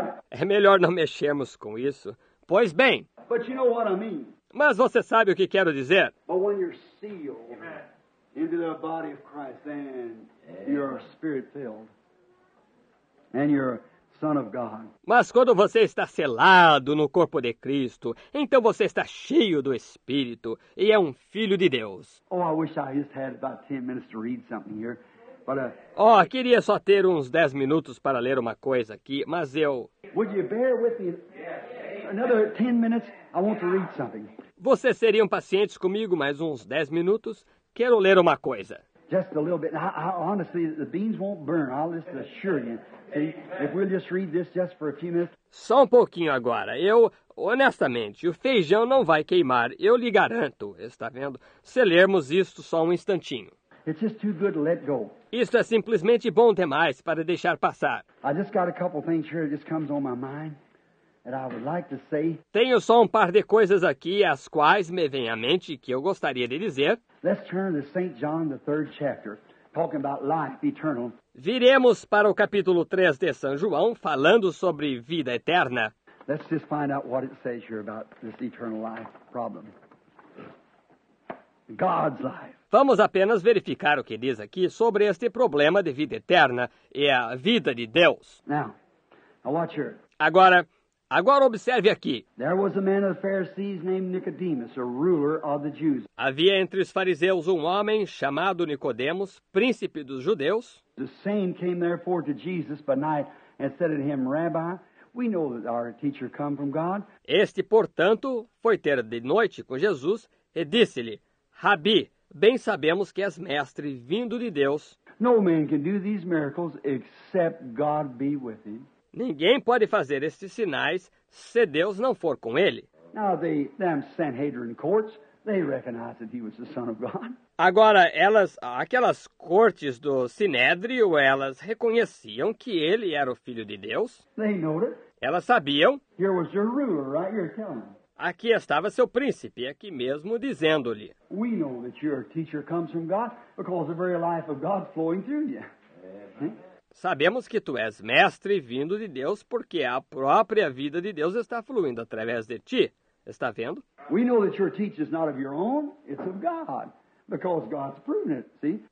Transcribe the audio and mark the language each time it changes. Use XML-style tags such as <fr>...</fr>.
<pt>É melhor não mexermos com isso. Pois bem.</pt> <en>But you know what I mean.</en> <pt>Mas você sabe o que quero dizer.</pt> <en>But when you're sealed into the body of Christ, then you're spirit filled and you're son of God.</en> <pt>Mas quando você está selado no corpo de Cristo, então você está cheio do Espírito e é um filho de Deus.</pt> <en>Oh, I wish I just had about 10 minutes to read something here. But</en> <pt>queria só ter uns 10 minutos para ler uma coisa aqui, mas eu...</pt> <en>Would you bear with me another 10 minutes? I want to read something.</en> <pt>Vocês seriam pacientes comigo mais uns 10 minutos? Quero ler uma coisa.</pt> <en>Just a little bit. Honestly, the beans won't burn. I'll just assure you. See, if we'll just read this just for a few minutes.</en> <pt>Só um pouquinho agora. Eu, honestamente, o feijão não vai queimar. Eu lhe garanto, está vendo? Se lermos isto só um instantinho.</pt> <en>It's just too good to let go.</en> <pt>Isto é simplesmente bom demais para deixar passar.</pt> <en>I just got a couple things here that just comes on my mind that I would like to say.</en> <pt>Tenho só um par de coisas aqui as quais me vem à mente que eu gostaria de dizer.</pt> <en>Let's turn to St. John, the third chapter, talking about life eternal.</en> <pt>Viremos para o capítulo 3 de São João, falando sobre vida eterna.</pt> <en>Let's just find out what it says here about this eternal life problem. God's life.</en> <pt>Vamos apenas verificar o que diz aqui sobre este problema de vida eterna e a vida de Deus.</pt> <en>Now watch here.</en> <pt>Agora observe aqui.</pt> <en>There was a man of the Pharisees named Nicodemus, a ruler of the Jews.</en> <pt>Havia entre os fariseus um homem chamado Nicodemos, príncipe dos judeus.</pt> <en>The same came therefore to Jesus by night and said to him, Rabbi, we know that our teacher come from God.</en> <pt>Este, portanto, foi ter de noite com Jesus e disse-lhe, Rabi, bem sabemos que és mestre vindo de Deus.</pt> <en>No man can do these miracles except God be with him.</en> <pt>Ninguém pode fazer estes sinais se Deus não for com ele.</pt> <en>Now the Sanhedrin courts, they recognized that he was the son of God.</en> <pt>Agora, aquelas cortes do Sinédrio, elas reconheciam que ele era o filho de Deus.</pt> <en>They noted.</en> <pt>Elas sabiam.</pt> <en>Here was your ruler, right here telling them.</en> <pt>Aqui estava seu príncipe, aqui mesmo dizendo-lhe.</pt> <en>We know that your teacher comes from God because the very life of God flowing through you.</en> <pt>Sabemos que tu és mestre vindo de Deus porque a própria vida de Deus está fluindo através de ti. Está vendo?</pt> <en>We know that your teaching is not of your own, it's of God, because God's pruning it, see?</en>